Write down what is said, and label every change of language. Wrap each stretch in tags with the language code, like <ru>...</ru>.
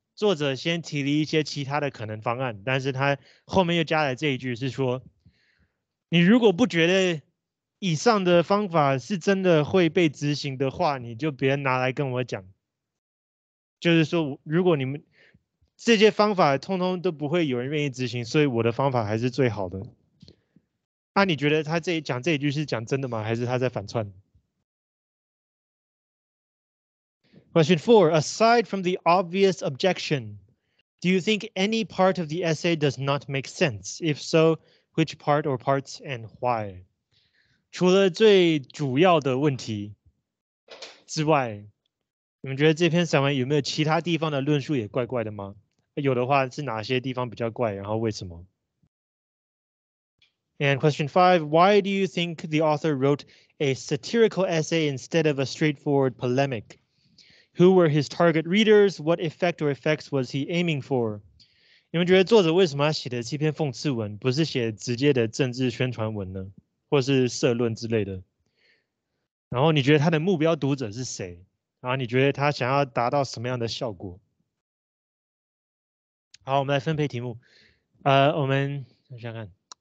<zh>作者先提了一些其他的可能方案，但是他后面又加了这一句，是说你如果不觉得以上的方法是真的会被执行的话，你就别拿来跟我讲。就是说，如果你们这些方法通通都不会有人愿意执行，所以我的方法还是最好的。那你觉得他这讲这一句是讲真的吗？还是他在反串？</zh> <en>Question four, aside from the obvious objection, do you think any part of the essay does not make sense? If so, which part or parts and why?</en> <zh>除了最主要的问题之外，你们觉得这篇散文有没有其他地方的论述也怪怪的吗？有的话是哪些地方比较怪，然后为什么？</zh> <en>And question five, why do you think the author wrote a satirical essay instead of a straightforward polemic? Who were his target readers? What effect or effects was he aiming for?</en> <zh>你们觉得作者为什么要写的这篇讽刺文，不是写直接的政治宣传文呢？或是社论之类的？然后你觉得他的目标读者是谁？然后你觉得他想要达到什么样的效果？好，我们来分配题目。我们想想看。</zh>